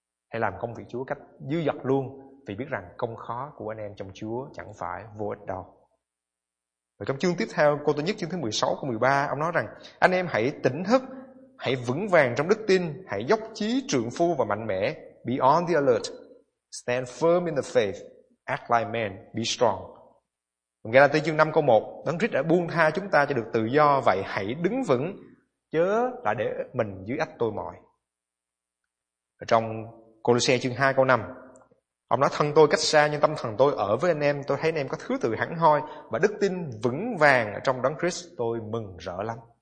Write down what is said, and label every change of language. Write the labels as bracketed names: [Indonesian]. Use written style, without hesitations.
[Vietnamese] Hãy làm công việc Chúa cách dư dật luôn, vì biết rằng công khó của anh em trong Chúa chẳng phải vô ích đâu. Và trong chương tiếp theo Cô Tô Nhất chương thứ 16 câu 13 ông nói rằng: Anh em hãy tỉnh thức, hãy vững vàng trong đức tin, hãy dốc chí trượng phu và mạnh mẽ. [English] Be on the alert, stand firm in the faith, act like men, be strong. [Vietnamese] Galatia chương 5 câu 1, Đấng Christ đã buông tha chúng ta cho được tự do, vậy hãy đứng vững, chớ là để mình dưới ách tôi mọi. Ở trong Colossae chương 2 câu 5, ông nói thân tôi cách xa nhưng tâm thần tôi ở với anh em, tôi thấy anh em có thứ tự hẳn hoi và đức tin vững vàng ở trong Đấng Christ, tôi mừng rỡ lắm.